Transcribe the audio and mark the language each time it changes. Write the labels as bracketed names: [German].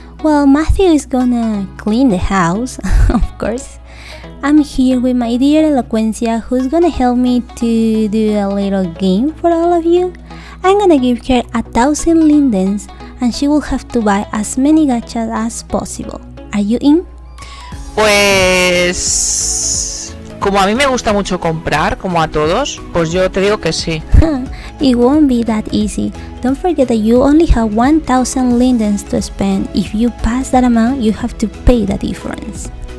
[English] Well, Matthew is gonna clean the house, of course. I'm here with my dear Elocuencia, who's gonna help me to do a little game for all of you. I'm gonna give her 1,000 lindens, and she will have to buy as many gachas as possible. Are you in? [Spanish] Pues... como a mí me gusta mucho comprar, como a todos, pues yo te digo que sí. [English] It won't be that easy. Don't forget that you only have 1,000 lindens to spend. If you pass that amount, you have to pay the difference.